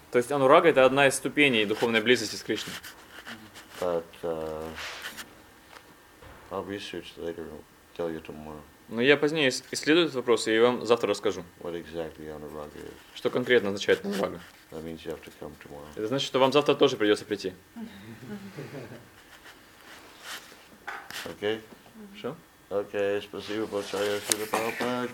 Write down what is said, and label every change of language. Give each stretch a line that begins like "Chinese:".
Russian: То есть анурага это одна из ступеней духовной близости с Кришной.
English: But I'll research later and tell you tomorrow.
Russian: Но я позднее исследую этот вопрос и я вам завтра расскажу.
English: What exactly anuraga is?
Russian: Что конкретно означает анурага?
English: That means you have to come tomorrow.
Russian: Это значит, что вам завтра тоже придется прийти.
English: Okay.
Russian: Что? Okay, спасибо большое, Шрила Прабхупада.